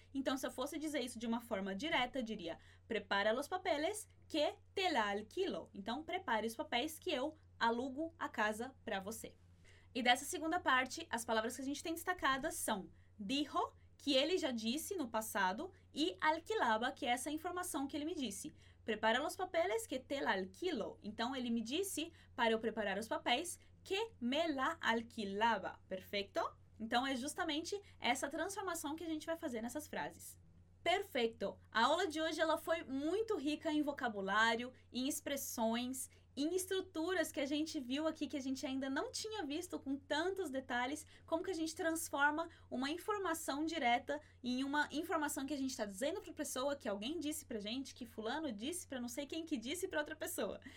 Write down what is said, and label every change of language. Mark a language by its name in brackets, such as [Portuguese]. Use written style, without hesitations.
[Portuguese] Então, se eu fosse dizer isso de uma forma direta, eu diria: [Spanish] prepara los papeles que te la alquilo. [Portuguese] Então, prepare os papéis que eu alugo a casa para você. E dessa segunda parte, as palavras que a gente tem destacadas são dijo, que ele já disse no passado, e alquilaba, que é essa informação que ele me disse. [Spanish] Prepara los papeles que te la alquilo. [Portuguese] Então, ele me disse para eu preparar os papéis que me la alquilaba. Perfeito? Então, é justamente essa transformação que a gente vai fazer nessas frases. Perfeito! A aula de hoje ela foi muito rica em vocabulário, em expressões, em estruturas que a gente viu aqui que a gente ainda não tinha visto com tantos detalhes, como que a gente transforma uma informação direta em uma informação que a gente está dizendo para a pessoa, que alguém disse para a gente, que fulano disse para não sei quem que disse para outra pessoa.